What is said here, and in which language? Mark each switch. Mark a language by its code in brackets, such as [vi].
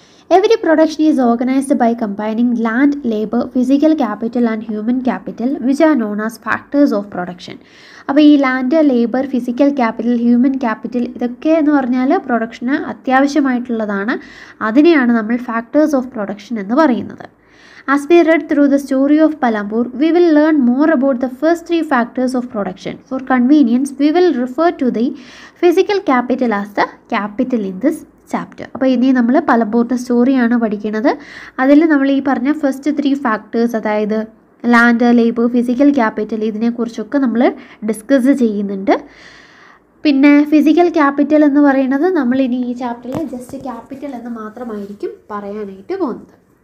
[en] Every production is organized by combining land, labor, physical capital and human capital, which are known as factors of production. [ml] അപ്പോൾ ഈ land, labour, physical capital, human capital, ഇതൊക്കെ എന്ന് പറഞ്ഞാൽ production അത്യാവശ്യമായിട്ടുള്ളതാണ്. അതിനെയാണ് നമ്മൾ factors of production എന്ന് പറയുന്നത്. [en] As we read through the story of Palampur, we will learn more about the first three factors of production. For convenience, we will refer to the physical capital as the capital in this chapter. [ml] അപ്പോൾ ഇനി നമ്മൾ പലമ്പൂരിൻ്റെ സ്റ്റോറിയാണ് പഠിക്കുന്നത്. അതിൽ നമ്മൾ ഈ പറഞ്ഞ first three factors, അതായത് ലാൻഡ്, ലേബർ, ഫിസിക്കൽ ക്യാപിറ്റൽ, ഇതിനെക്കുറിച്ചൊക്കെ നമ്മൾ ഡിസ്കസ് ചെയ്യുന്നുണ്ട്. പിന്നെ ഫിസിക്കൽ ക്യാപിറ്റൽ എന്ന് പറയുന്നത് നമ്മളിനി ഈ ചാപ്റ്ററിൽ ജസ്റ്റ് ക്യാപിറ്റൽ എന്ന് മാത്രമായിരിക്കും പറയാനായിട്ട് പോകുന്നത്.